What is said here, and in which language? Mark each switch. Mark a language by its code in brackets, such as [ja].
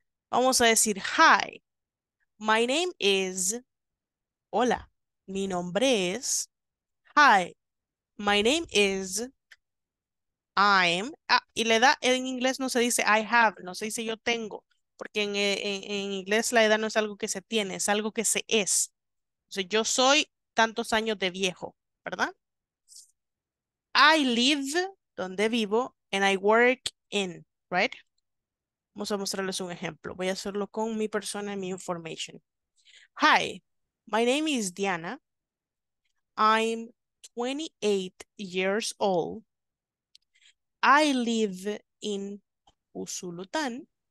[es] Vamos a decir, [en] hi, my name is, [es] hola, mi nombre es, hi, my name is, I'm, y la edad en inglés no se dice [en] I have, [es] no se dice yo tengo, porque en inglés la edad no es algo que se tiene, es algo que se es. O sea, yo soy tantos años de viejo, ¿verdad? [en] I live, [es] donde vivo, [en] and I work in, right? [es] Vamos a mostrarles un ejemplo. Voy a hacerlo con mi persona y mi information. [en] Hi, my name is Diana. I'm 28 years old. I live in Usulután.